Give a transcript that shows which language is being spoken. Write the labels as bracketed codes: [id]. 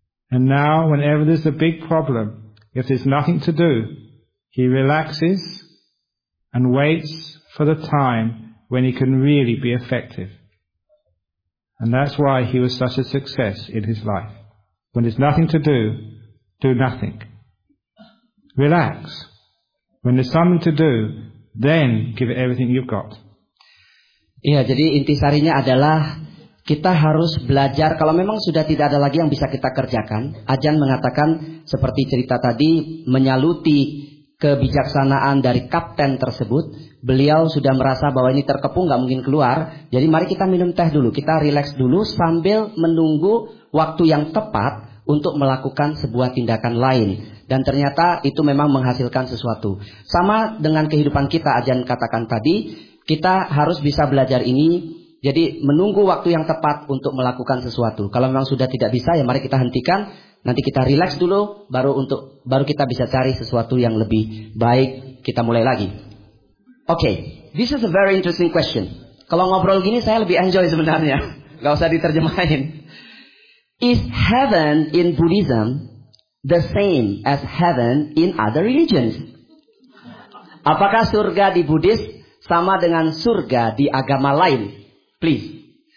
[en] And now, whenever there's a big problem, if there's nothing to do, he relaxes and waits for the time when he can really be effective. And that's why he was such a success in his life. When there's nothing to do, do nothing. Relax. When there's something to do, then give it everything you've got. [id] Iya, jadi intisarinya adalah kita harus belajar. Kalau memang sudah tidak ada lagi yang bisa kita kerjakan, Ajahn mengatakan seperti cerita tadi, menyaluti kebijaksanaan dari kapten tersebut. Beliau sudah merasa bahwa ini terkepung, gak mungkin keluar. Jadi mari kita minum teh dulu, kita relax dulu sambil menunggu waktu yang tepat untuk melakukan sebuah tindakan lain. Dan ternyata itu memang menghasilkan sesuatu. Sama dengan kehidupan kita, Ajahn katakan tadi, kita harus bisa belajar ini. Jadi menunggu waktu yang tepat untuk melakukan sesuatu. Kalau memang sudah tidak bisa, ya mari kita hentikan. Nanti kita relax dulu, baru kita bisa cari sesuatu yang lebih baik. Kita mulai lagi. [en] Okay, this is a very interesting question. [id] Kalau ngobrol gini saya lebih enjoy sebenarnya. Gak usah diterjemahin. [en] Is heaven in Buddhism the same as heaven in other religions? [id] Apakah surga di Buddhis sama dengan surga di agama lain? [en] Please.